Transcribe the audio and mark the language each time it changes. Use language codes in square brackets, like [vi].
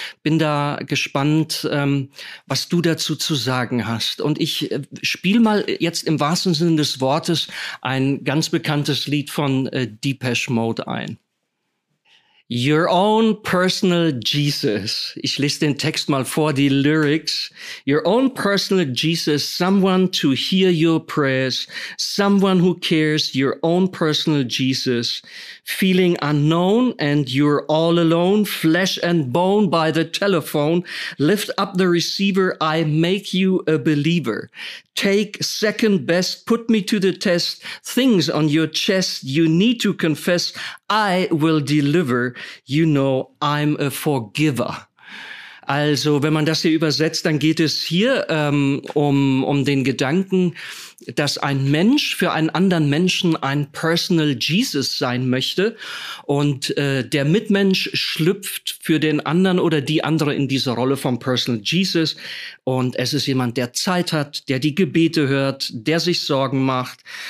[de] Bin da gespannt, was du dazu zu sagen hast. Und ich spiele mal jetzt im wahrsten Sinne des Wortes ein ganz bekanntes Lied von Depeche Mode ein. [en] Your own personal Jesus. [de] Ich lese den Text mal vor, die Lyrics. [en] Your own personal Jesus, someone to hear your prayers, someone who cares, your own personal Jesus. Feeling unknown and you're all alone, flesh and bone by the telephone. Lift up the receiver, I make you a believer. Take second best, put me to the test. Things on your chest, you need to confess. I will deliver, you know, I'm a forgiver. [de] Also, wenn man das hier übersetzt, dann geht es hier um den Gedanken, dass ein Mensch für einen anderen Menschen ein Personal Jesus sein möchte und der Mitmensch schlüpft für den anderen oder die andere in diese Rolle vom Personal Jesus und es ist jemand, der Zeit hat, der die Gebete hört, der sich Sorgen macht,